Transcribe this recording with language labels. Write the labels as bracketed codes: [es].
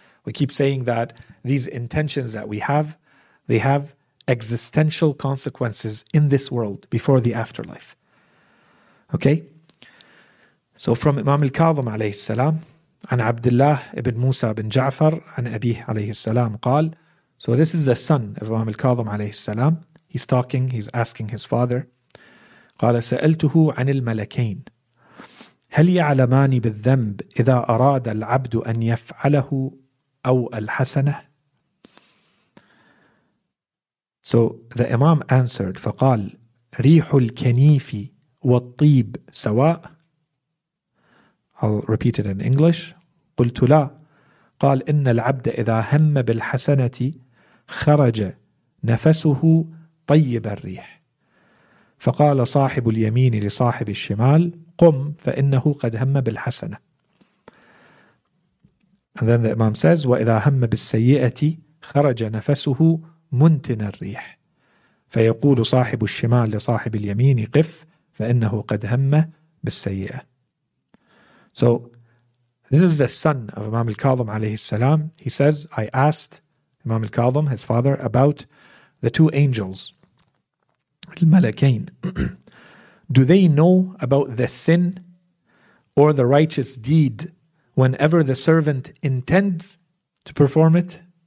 [en] We keep saying that these intentions that we have, they have existential consequences in this world before the afterlife. Okay? So from Imam al-Kadhim alayhi salam, an Abdullah ibn Musa bin Ja'far, an Abih alayhi salam, qal. So this is the son of Imam al-Kadhim alayhi salam. He's talking, he's asking his father. [ar] قال سألته عن الملكين هل يعلمان بالذنب إذا أراد العبد أن يفعله أو الحسنة؟ [en] So the Imam answered, [ar] فقال ريح الكنيف والطيب سواء. [en] I'll repeat it in English. [ar] قلت لا. قال إن العبد إذا هم بالحسنة خرج نفسه طيب الريح. فقال صاحب اليمين لصاحب الشمال قم فإنه قد هم بالحسنة. [en] And then the Imam says, [ar] وإذا هم بالسيئة خرج نفسه منتن الريح. فيقول صاحب الشمال لصاحب اليمين قف فإنه قد هم بالسيئة. [en] So this is the son of Imam al-Kadhim alayhi salam. He says, I asked Imam al-Kadhim, his father, about the two angels, al-Malakain. Do they know about the sin or the righteous deed whenever the servant intends to perform it?